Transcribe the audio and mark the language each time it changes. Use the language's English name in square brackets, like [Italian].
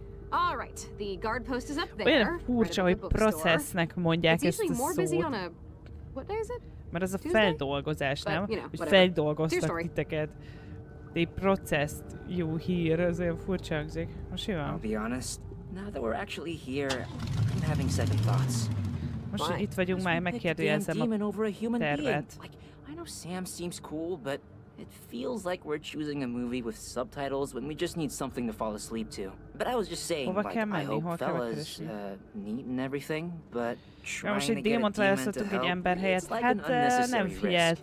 [English] All right, the guard post is up there. [Hungarian] Olyan furcsa, hogy processnek mondják ezt a szót. [English] What day is it? [Hungarian] Mert ez a feldolgozás, nem? Hogy feldolgoztak titeket. [English] They processed you here. [Hungarian] Ez olyan furcsa hangzik. Most jó. [English] I'll be honest, now that we're actually here, I'm having second thoughts. [Hungarian] Most itt vagyunk, már megkérdőjelzem a tervet. [English] Like, I know Sam seems cool, but it feels like we're choosing a movie with subtitles when we just need something to fall asleep to. But I was just saying, like, I hope fellas, neat and everything, but trying to get a demon to help, it's like an unnecessary risk.